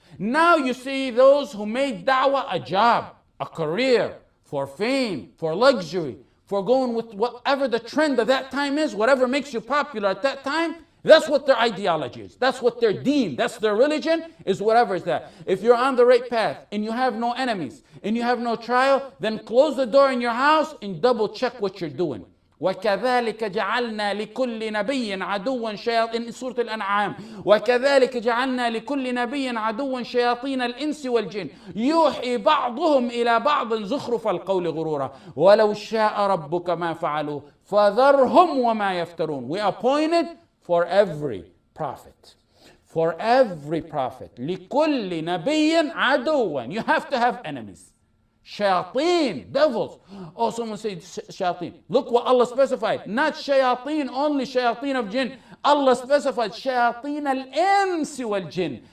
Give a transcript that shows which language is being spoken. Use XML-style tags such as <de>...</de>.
<en>Now you see those who made da'wah a job, a career, for fame, for luxury, for going with whatever the trend of that time is, whatever makes you popular at that time, that's what their ideology is. That's what their deen, that's their religion, is whatever is that. If you're on the right path and you have no enemies and you have no trial, then close the door in your house and double check what you're doing.</en> <ar>وَكَذَلِكَ جَعَلْنَا لِكُلِّ نَبِيٍّ عَدُوًّا شَيَاطِينَ سُورَةِ الْأَنْعَامِ وَكَذَلِكَ جَعَلْنَا لِكُلِّ نَبِيٍّ عَدُوًّا شَيَاطِينَ الْإِنْسِ وَالْجِنِّ يُوحِي بَعْضُهُمْ إِلَى بَعْضٍ زُخْرُفَ الْقَوْلِ غُرُورًا وَلَوْ شَاءَ رَبُّكَ مَا فَعَلُوهُ فَذَرْهُمْ وَمَا يَفْتَرُونَ</ar> <en>We appointed for every prophet. For every prophet.</en> <ar>لِكُلِّ نَبِيٍّ عَدُوًّا</ar> <en>You have to have enemies. Shayateen, devils. Oh, someone said shayateen. Look what Allah specified. Not shayateen, only shayateen of jinn. Allah specified shayateen al-insi wal-jinn.</en>